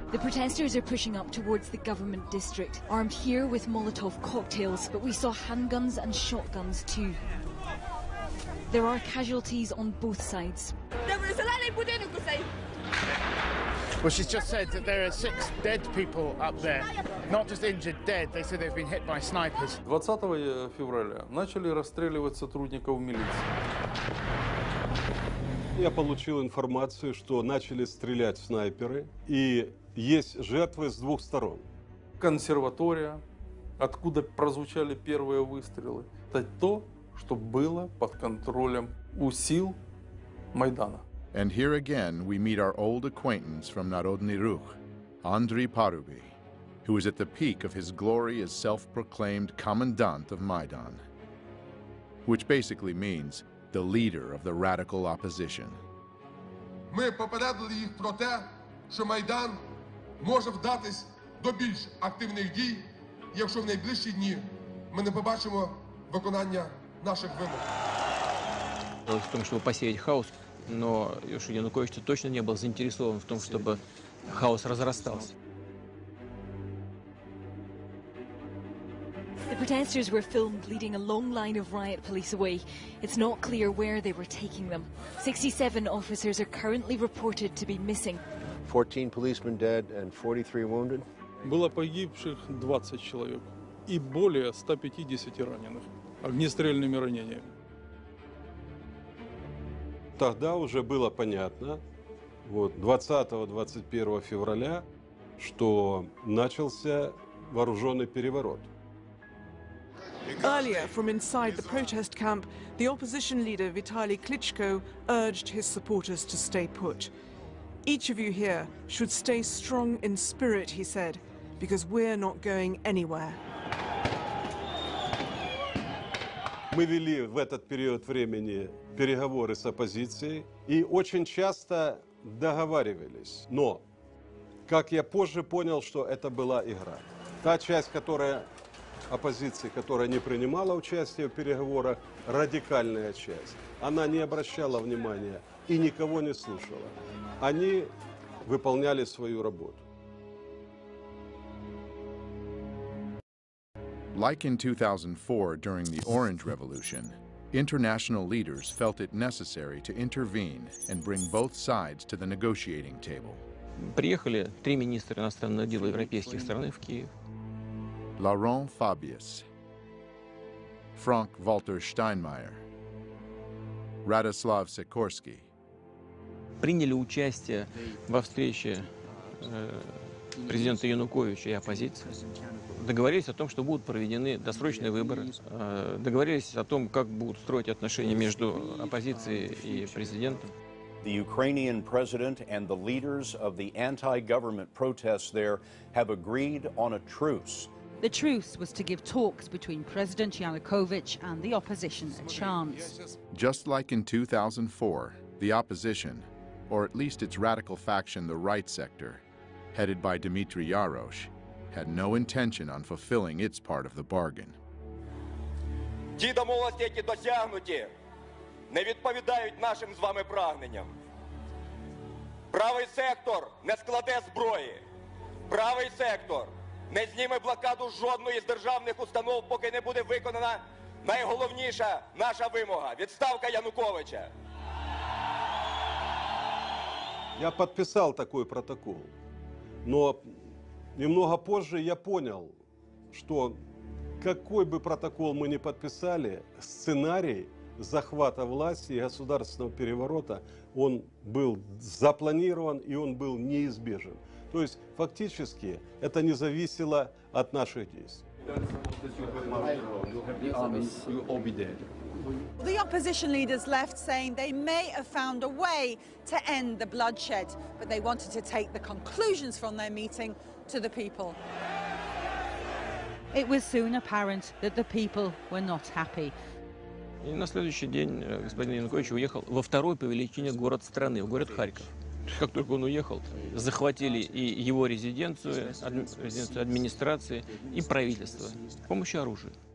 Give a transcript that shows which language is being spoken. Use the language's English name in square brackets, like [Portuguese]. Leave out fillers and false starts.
[English] The protesters are pushing up towards the government district, armed here with Molotov cocktails, but we saw handguns and shotguns too. There are casualties on both sides. Well, she's just said that there are six dead people up there. Not just injured, dead. They said they've been hit by snipers. [Russian] 20 февраля начали розстрілювати сотрудників міліції. Я получил информацию, что начали стрелять снайперы, и есть жертвы с двух сторон. Консерватория, откуда прозвучали первые выстрелы, это то, что было под контролем у сил Майдана. [English] And here again we meet our old acquaintance from Народный Рух, Андрей Паруби, who is at the peak of his glory as self-proclaimed commandant of Майдан, which basically means the leader of the radical opposition. [Ukrainian] Ми попередили їх про те, що Майдан може вдатись до більш активних дій, якщо в найближчі дні ми не побачимо виконання наших вимог. Дело в тому, щоб посіяти хаос, но Юша Янукович точно не був заінтересован в тому, щоб хаос розростався. [English] The protesters were filmed leading a long line of riot police away. It's not clear where they were taking them. 67 officers are currently reported to be missing. 14 policemen dead and 43 wounded. [Russian] Було погибших 20 чоловік і более 150 ранених огнестрельными ранениями. Тогда уже было понятно, вот 20-21 февраля, что начался вооруженный переворот. [English] Earlier, from inside the protest camp, the opposition leader Vitali Klitschko urged his supporters to stay put. Each of you here should stay strong in spirit, he said, because we're not going anywhere. [Russian] Мы вели в этот период времени переговоры с оппозицией и очень часто договаривались. Но, как я позже понял, что это была игра. Та часть, которая оппозиции, которая не принимала участие в переговорах, радикальная часть. Она не обращала внимания и никого не слушала. Они выполняли свою работу. [English] Like in 2004 during the Orange Revolution, international leaders felt it necessary to intervene and bring both sides to the negotiating table. [Russian] Приехали три министра иностранных дел европейских стран в Киев. Laurent Fabius, Frank-Walter Steinmeier, Radoslav Sikorsky. Приняли участие во встрече президента Януковича и оппозиции. Договорились о том, что будут проведены досрочные выборы. Договорились о том, как будут строить отношения между оппозицией и президентом. [English] The Ukrainian president and the leaders of the anti-government protests there have agreed on a truce. The truce was to give talks between President Yanukovych and the opposition a chance. Just like in 2004, the opposition, or at least its radical faction, the right sector, headed by Dmitry Yarosh, had no intention on fulfilling its part of the bargain. [Ukrainian] Ті домовленості, які досягнуті, не відповідають нашим з вами прагненням. Правий сектор не складе зброї. Правий сектор не зніме блокаду жодної з державних установ, поки не буде виконана найголовніша наша вимога – відставка Януковича. Я підписав такий протокол, [Russian] но немного позже я понял, что какой бы протокол мы ни подписали, сценарий захвата власти и государственного переворота, он был запланирован и он был неизбежен. То есть фактически это не зависело от наших действий. [English] The opposition leaders left saying they may have found a way to end the bloodshed, but they wanted to take the conclusions from their meeting to the people. It was soon apparent that the people were not happy. [Russian] И на следующий день господин Янукович уехал во второй по величине город страны, в город Харьков. Как только он уехал, захватили и его резиденцию, резиденцию администрации и правительство с помощью оружия.